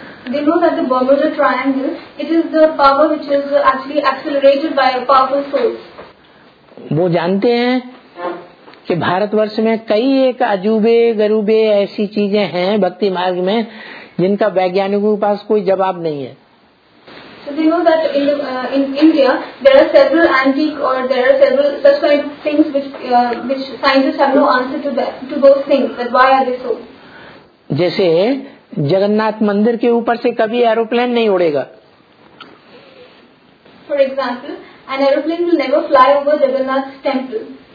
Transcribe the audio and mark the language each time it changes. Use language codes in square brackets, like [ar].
[en] They know that the Bermuda Triangle, it is the power which is actually accelerated by a powerful source. [hi] वो जानते हैं कि भारतवर्ष में कई एक अजूबे गरूबे ऐसी चीजें हैं भक्ति मार्ग में जिनका वैज्ञानिकों के पास कोई जवाब नहीं है। [en] So they know that in India there are several antique or there are several such kind of things which scientists have no answer to those things. That why are they so? [hi] जैसे जगन्नाथ मंदिर के ऊपर से कभी aeroplane नहीं उड़ेगा। [en] For example an aeroplane will never fly over Jagannath temple.